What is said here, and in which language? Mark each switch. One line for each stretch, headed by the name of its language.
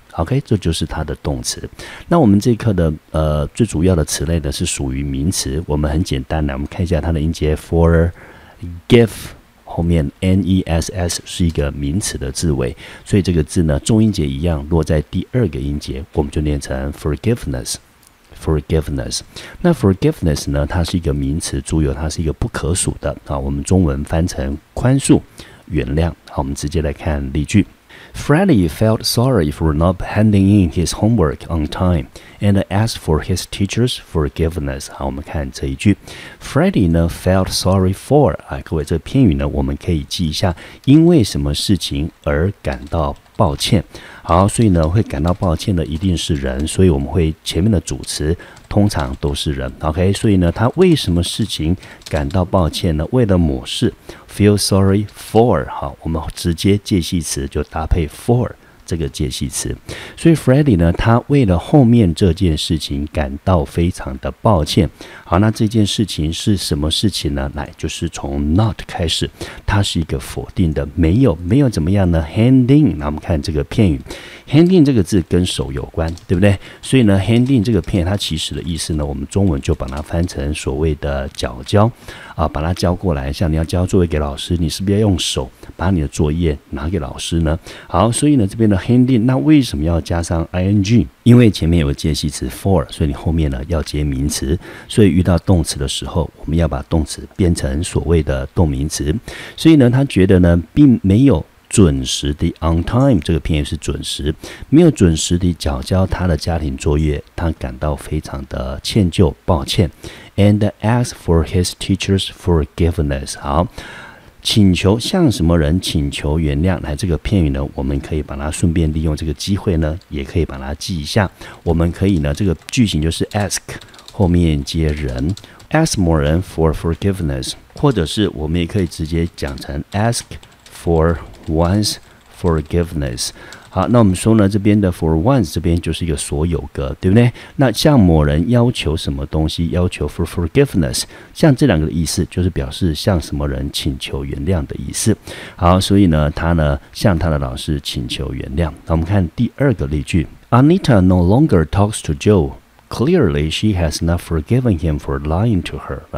Chinese: OK， 这就是它的动词。那我们这一课的最主要的词类呢是属于名词，我们很简单来我们看一下它的音节 forgive， 后面 N-E-S-S 是一个名词的字尾，所以这个字呢重音节一样落在第二个音节，我们就念成 forgiveness。 Forgiveness， 那 forgiveness 呢它是一个名词，注意它是一个不可数的啊，我们中文翻成宽恕原谅。好，我们直接来看例句。
English: Freddy felt sorry for not handing in his homework on time and asked for his teacher's forgiveness。
Chinese: 好，我们看这一句。 Freddy 呢
English: felt sorry for、
Chinese: 啊、各位这个片语呢我们可以记一下，因为什么事情而感到抱歉。好，所以呢会感到抱歉的一定是人，所以我们会前面的主词通常都是人。 OK， 所以呢他为什么事情感到抱歉呢？为了某事
English: feel sorry for。
Chinese: 好，我们直接介系词就搭配 for这个介系词，所以 Freddy 呢他为了后面这件事情感到非常的抱歉。好，那这件事情是什么事情呢？来，就是从 not 开始，它是一个否定的，没有，没有怎么样呢？ handing， 那我们看这个片语， handing 这个字跟手有关，对不对？所以呢 handing 这个片它其实的意思呢，我们中文就把它翻成所谓的脚交啊，把它交过来，像你要交作业给老师，你是不是要用手把你的作业拿给老师呢？好，所以呢这边的 handing 那为什么要加上 ing？因为前面有介系词 for， 所以你后面呢要接名词，所以遇到动词的时候我们要把动词变成所谓的动名词。所以呢他觉得呢并没有准时的
English: on time，
Chinese: 这个片语是准时，没有准时的缴交他的家庭作业，他感到非常的歉疚抱歉。
English: And ask for his teacher's forgiveness。
Chinese: 好，请求向什么人请求原谅，来这个片语呢我们可以把它顺便利用这个机会呢也可以把它记一下。我们可以呢这个句型就是 ask 后面接人，
English: ask 某人 for forgiveness，
Chinese: 或者是我们也可以直接讲成
English: ask for one's forgiveness。
Chinese: 好，那我们说呢这边的
English: for once
Chinese: 这边就是一个所有格，对不对？那向某人要求什么东西，要求 for forgiveness， 像这两个的意思就是表示向什么人请求原谅的意思。好，所以呢他呢向他的老师请求原谅。那我们看第二个例句。
English: Anita no longer talks to Joe. Clearly she has not forgiven him for lying to her。